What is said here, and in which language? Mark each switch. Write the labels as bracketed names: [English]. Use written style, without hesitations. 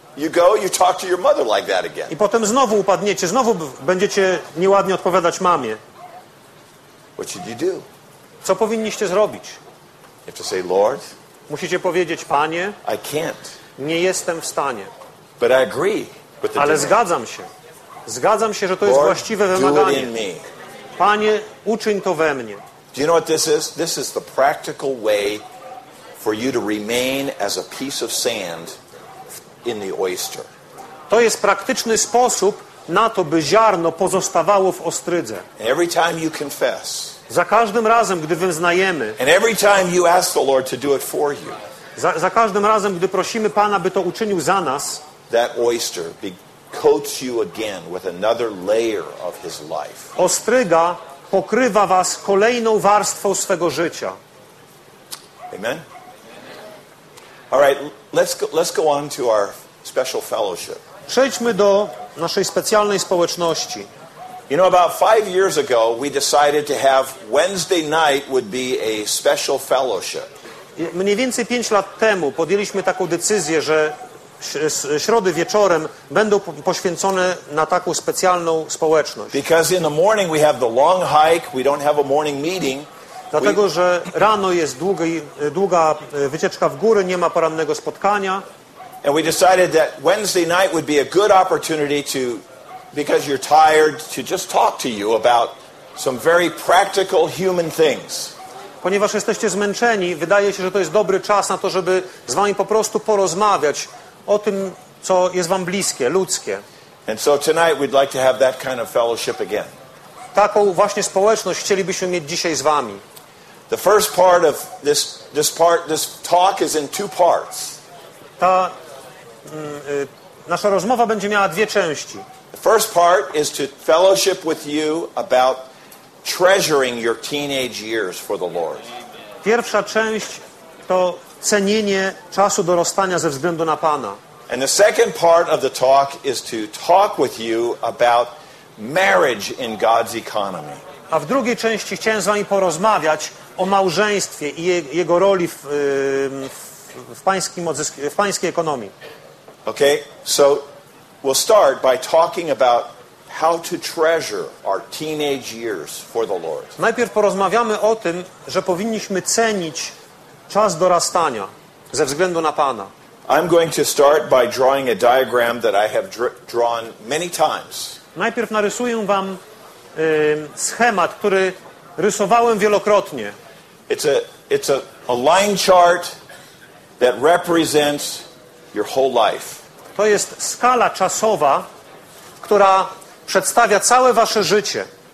[English] You go, you talk to your mother like that again. [Polish] I potem znowu upadniecie, znowu będziecie nieładnie odpowiadać mamie. [English] What should you do? [Polish] Co powinniście zrobić? [English] You have to say, Lord, [Polish] musicie powiedzieć, Panie, [English] I can't. [Polish] Nie jestem w stanie. [English] But I agree with the [Polish] Ale zgadzam się. Zgadzam się, że to [English] Lord, [Polish] jest właściwe wymaganie. [English] Do it in me. [Polish] Panie, uczyń to we mnie. [English] Do you know what this is? This is the practical way for you to remain as a piece of sand in the oyster. [Polish] To jest praktyczny sposób na to, by ziarno pozostawało w ostrydze. [English] Every time you confess. [Polish] Za każdym razem, gdy wyznajemy. [English] And every time you ask the Lord to do it for you. [Polish] Za każdym razem, gdy prosimy Pana, by to uczynił za nas. [English] That oyster coats you again with another layer of his life. [Polish] Ostryga pokrywa was kolejną warstwą swego życia. [English] Amen. All right, let's go on to our special fellowship. [Polish] Przejdźmy do naszej specjalnej społeczności. [English] You know, about 5 years ago, we decided to have Wednesday night would be a special fellowship. [Polish] Mniej więcej 5 lat temu podjęliśmy taką decyzję, że środy wieczorem będą poświęcone na taką specjalną społeczność. [English] Because in the morning we have the long hike, we don't have a morning meeting. [Polish] Dlatego, że rano jest długa wycieczka w góry, nie ma porannego spotkania. [English] And we decided that Wednesday night would be a good opportunity to, because you're tired, to just talk to you about some very practical human things. [Polish] Ponieważ jesteście zmęczeni, wydaje się, że to jest dobry czas na to, żeby z wami po prostu porozmawiać o tym, co jest wam bliskie, ludzkie. [English] And so tonight we'd like to have that kind of fellowship again. [Polish] taką właśnie społeczność chcielibyśmy mieć dzisiaj z wami. [English] The first part of this talk is in two parts. [Polish] Ta nasza rozmowa będzie miała dwie części. [English] The first part is to fellowship with you about treasuring your teenage years for the Lord. [Polish] Pierwsza część to cenienie czasu dorastania ze względu na Pana. [English] And the second part of the talk is to talk with you about marriage in God's economy. [Polish] A w drugiej części chciałem z wami porozmawiać o małżeństwie i jego roli w pańskiej ekonomii. [English] Okay, so we'll start by talking about how to treasure our teenage years for the Lord. [Polish] Najpierw porozmawiamy o tym, że powinniśmy cenić czas dorastania ze względu na Pana. [English] I'm going to start by drawing a diagram that I have drawn many times. [Polish] Najpierw narysuję wam schemat, który rysowałem wielokrotnie. [English] It's a line chart that represents your whole life. [Polish] To jest skala czasowa, która przedstawia całe wasze życie.